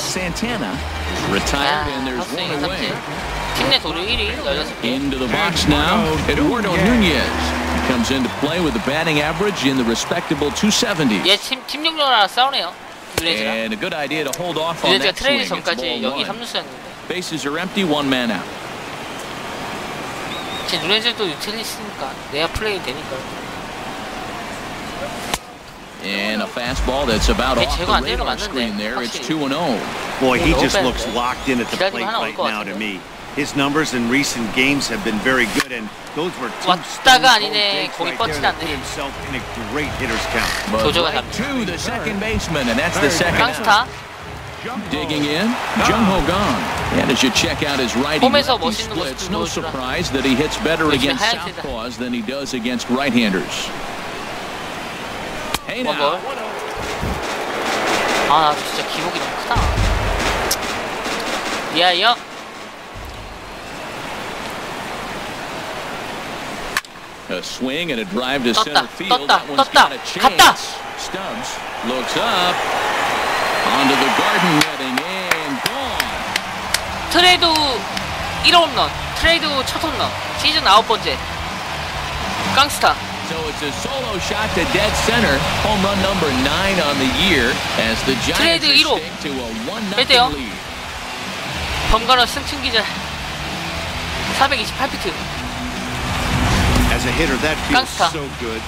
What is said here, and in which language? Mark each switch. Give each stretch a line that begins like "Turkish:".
English: Santana retired 아, and there's one away.
Korean: 3. 팀내 도루 1위 16개.
English: Into the box now, Eduardo Nunez comes into play with the batting average in the respectable 270.
Korean: 예, 팀 6명이랑 싸우네요.
English: And a good idea to hold off on that swing. It's ball one. Bases are empty, one man out.
Korean: 제 누레즈도 유틸리스니까 내야 플레이 되니까.
English: And a fastball that's about off the radar screen there. It's 2-0. Boy, he just looks locked in at the plate right now to me. His numbers in recent games have been very good, and those were two stone cold hits right there that put himself in a great hitter's count. But right to the second baseman, and that's the second out. Digging in, Jung Ho Gun. And as you check out his righty-lefty splits, no surprise that he hits better against southpaws than he does against right-handers. Hey now.
Korean: 아, 진짜 기록이 좀 크다. 이하여.
English: A swing and a drive to
Korean: 떴다,
English: center field.
Korean: 떴다,
English: that one's
Korean: 떴다,
English: got a chance.
Korean: 갔다.
English: Stubbs looks up onto the garden netting and gone.
Korean: 트레이드 1홈런, 트레이드 첫 홈런, 시즌 9번째. 깡스타.
English: So it's a solo shot to dead center, home run number 9 on the year as the Giants stick to a 1-0 lead.
Korean: 1대요. 범가로 승천 기자. 428피트.
English: As a hitter, that feels so good.